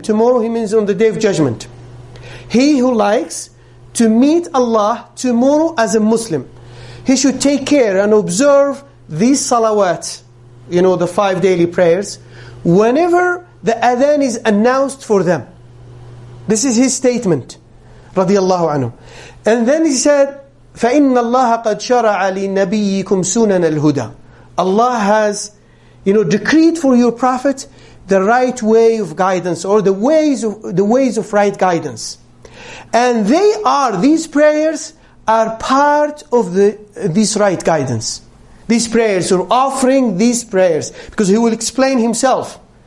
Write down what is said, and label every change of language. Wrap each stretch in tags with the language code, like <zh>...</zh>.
<en>Tomorrow he means on the Day of Judgment. He who likes to meet Allah tomorrow as a Muslim, he should take care and observe these salawat, you know, the 5 daily prayers, whenever the adhan is announced for them. This is his statement, radiallahu anhu. And then he said,</en> <ar>فَإِنَّ اللَّهَ قَدْ شَرَعَ لِنَبِيِّكُمْ سُنَنَ الْهُدَى.</ar> <en>Allah has, you know, decreed for your prophet the right way of guidance, or the ways of right guidance. And they are, these prayers are part of this right guidance. These prayers, or offering these prayers. Because he will explain himself.</en>